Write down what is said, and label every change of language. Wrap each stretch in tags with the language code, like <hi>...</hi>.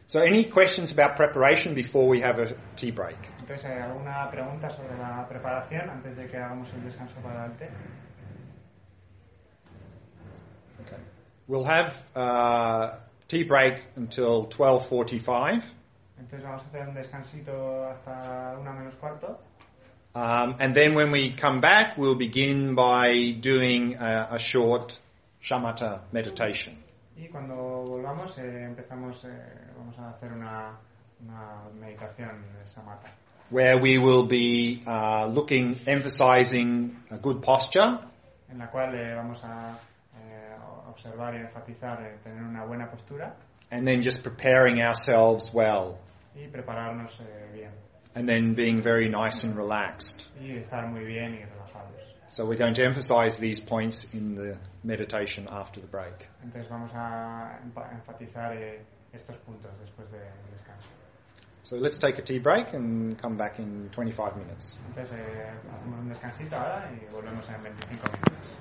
<en>So any questions about preparation before we have a tea break?</en> <es>Entonces, ¿hay alguna pregunta sobre la preparación antes de que hagamos el descanso para el té?</es> <en>Okay. We'll have a tea break until 12:45.</en> <es>Entonces vamos a hacer un descansito hasta 1:45.</es> <en>And then when we come back, we'll begin by doing a short shamatha meditation.</en> <es>Y cuando volvamos, vamos a hacer una meditación de shamatha.</es> <en>Where we will be looking, emphasizing a good posture.</en> <es>En la cual vamos a observar y enfatizar tener una buena postura.</es> <en>And then just preparing ourselves well.</en> <es>Y prepararnos bien.</es> <en>And then being very nice and relaxed.</en> <es>Y estar muy bien y relajados.</es> <en>So we're going to emphasize these points in the meditation after the break.</en> <es>Entonces vamos a enfatizar estos puntos después del descanso.</es> <en>So let's take a tea break and come back in 25 minutes.</en> <es>Entonces, hacemos un descansito ahora y volvemos en 25 minutos.</es>